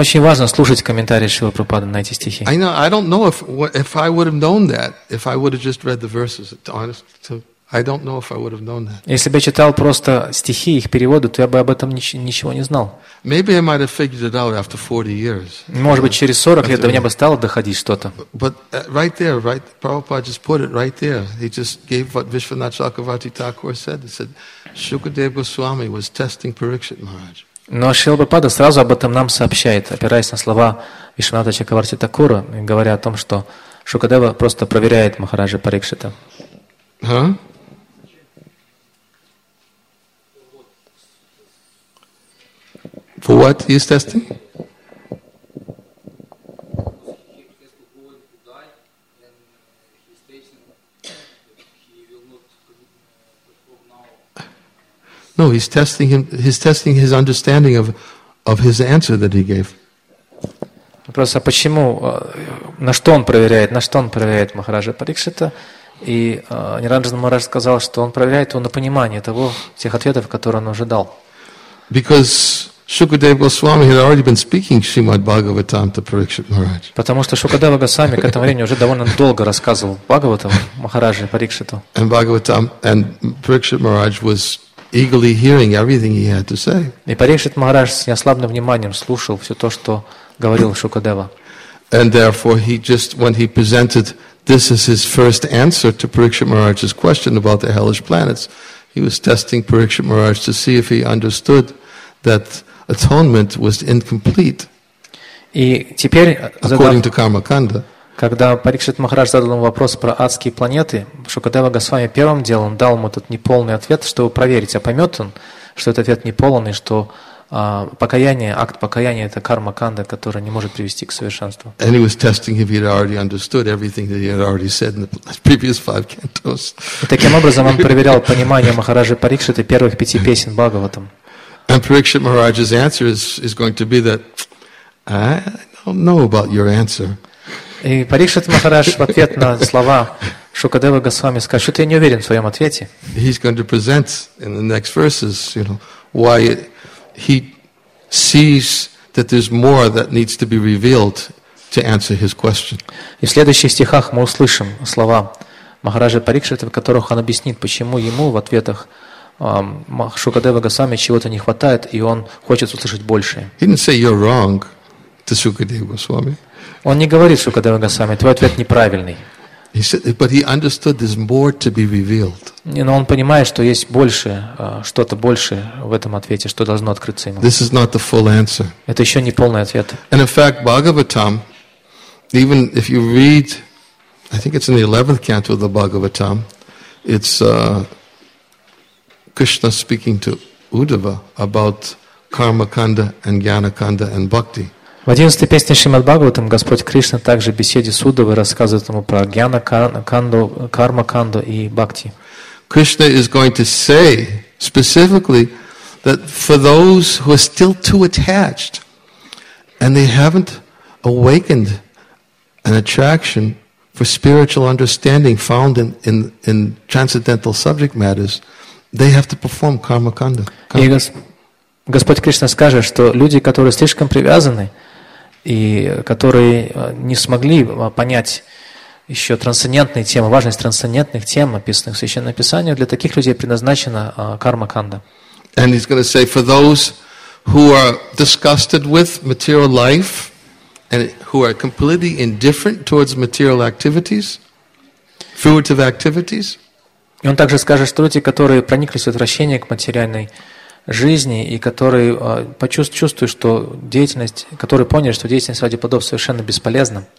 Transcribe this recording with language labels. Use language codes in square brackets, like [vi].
[ru] очень важно слушать комментарии Шрилы Прабхупады на эти стихи. [en] I know. I don't know if I would have known that if I would have just read the verses. I don't know if I would have known that. [ru] Если бы я читал просто стихи их переводы, то я бы об этом ничего не знал. [en] Maybe I might have figured it out after 40 years. [ru] Может быть, через 40 лет до меня бы стало доходить что-то. [en] But right there, right, Prabhupada just put it right there. He just gave what Vishwanath Chakravarti Thakur said. He said, Shukadeva Goswami was testing Parikshit Maharaj. [ru] Но Шрила Прабхупада сразу об этом нам сообщает, опираясь на слова Вишванатха Чакраварти Такура, говоря о том, что Шукадева просто проверяет Махараджа Парикшита. [en] Huh? For what he is testing? No, he's testing him. He's testing his understanding of his answer that he gave. [ru] Просто почему, на что он проверяет, Махараджа Парикшита? И Ниранджана Махарадж сказал, что он проверяет его на понимание того, тех ответов, которые он уже дал. [en] Because Shukadeva Goswami had already been speaking Srimad Bhagavatam to Parikshit Maharaj. [ru] Потому что Шукадева Госвами к этому времени уже довольно долго рассказывал Бхагаватам Махараджи Парикшиту. [en] And Bhagavatam and Parikshit Maharaj was eagerly hearing everything he had to say. [ru] И Парикшит Махарадж с неослабным вниманием слушал все то, что говорил Шукадева. [en] And therefore he just when he presented this as his first answer to Parikshit Maharaj's question about the hellish planets, he was testing Parikshit Maharaj to see if he understood that atonement was incomplete. [ru] И теперь, [en] according to Karma Kanda, [ru] когда Парикшит Махарадж задал ему вопрос про адские планеты, Шукадева Госвами первым делом дал ему этот неполный ответ, чтобы проверить, а поймет он, что этот ответ неполен и что покаяние, акт покаяния – это карма канда, которая не может привести к совершенству. [en] And he was testing if he'd already understood everything that he had already said in the previous five cantos. [ru] И таким образом он проверял понимание Махараджи Парикшиты первых пяти песен Бхагаватам. [en] And Parikshit Maharaj's answer is going to be that I don't know about your answer. [ru] И Парикшит Махарадж в ответ на слова Шукадева Госвами скажет, что ты не уверен в своем ответе. [en] He's going to present in the next verses, you know, why he sees that there's more that needs to be revealed to answer his question. [ru] И в следующих стихах мы услышим слова Махараджа Парикшита, в которых он объяснит, почему ему в ответах Шукадева Госвами чего-то не хватает, и он хочет услышать больше. [en] He didn't say you're wrong to Шукадева Госвами. [ru] Он не говорит Шукадева Госвами, твой ответ неправильный. [en] He said, but he understood there's more to be revealed. [ru] Но он понимает, что есть больше, что-то большее в этом ответе, что должно открыться ему. [en] This is not the full answer. [ru] Это еще не полный ответ. [en] And in fact, Bhagavatam, even if you read, I think it's in the 11th canto of the Bhagavatam, it's Krishna speaking to Uddhava about Karma Kanda and Jnana Kanda and Bhakti. [ru] В 11-й песне Шримад Бхагаватам Господь Кришна также беседе с Уддавой рассказывает ему про Гьяна Канду, Карма Канду и Бхакти. [en] Krishna is going to say specifically that for those who are still too attached and they haven't awakened an attraction for spiritual understanding found in transcendental subject matters, they have to perform Karma Kanda. [ru] Господь Кришна скажет, что люди, которые слишком привязаны и которые не смогли понять еще трансцендентные темы, важность трансцендентных тем, описанных в Священном Писании, для таких людей предназначена карма канда. [en] And he's going to say, for those who are disgusted with material life and who are completely indifferent towards material activities, fruitive activities. [ru] И он также скажет, что люди, которые прониклись в отвращение к материальной жизни и которые чувствуют, что деятельность, которые поняли, что деятельность ради подобства совершенно бесполезна.